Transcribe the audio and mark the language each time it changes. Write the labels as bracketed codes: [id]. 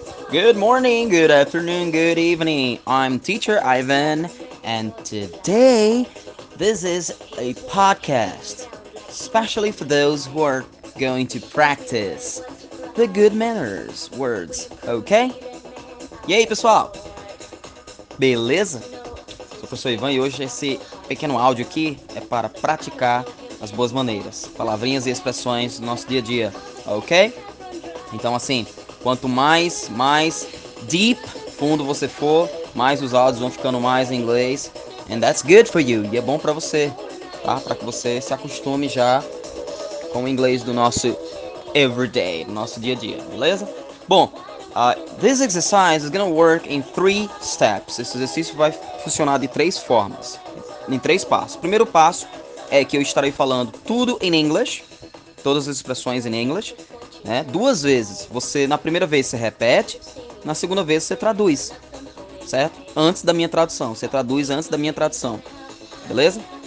[en] Good morning, good afternoon, good evening. I'm Teacher Ivan, and today this is a podcast, especially for those who are going to practice the good manners words, ok? [pt] E aí, pessoal? Beleza? Sou o professor Ivan e hoje esse pequeno áudio aqui é para praticar as boas maneiras, palavrinhas e expressões do nosso dia a dia, ok? Então, assim, quanto mais deep fundo você for, mais os áudios vão ficando mais em inglês. [en] And that's good for you. [pt] E é bom pra você, tá? Pra que você se acostume já com o inglês do nosso everyday, do nosso dia a dia, beleza? [en] Bom, this exercise is gonna work in three steps. [pt] Esse exercício vai funcionar de três formas, em três passos. Primeiro passo é que eu estarei falando tudo em inglês, todas as expressões em inglês, né? Duas vezes. Você, na primeira vez você repete, na segunda vez você traduz. Certo? Antes da minha tradução. Você traduz antes da minha tradução. Beleza?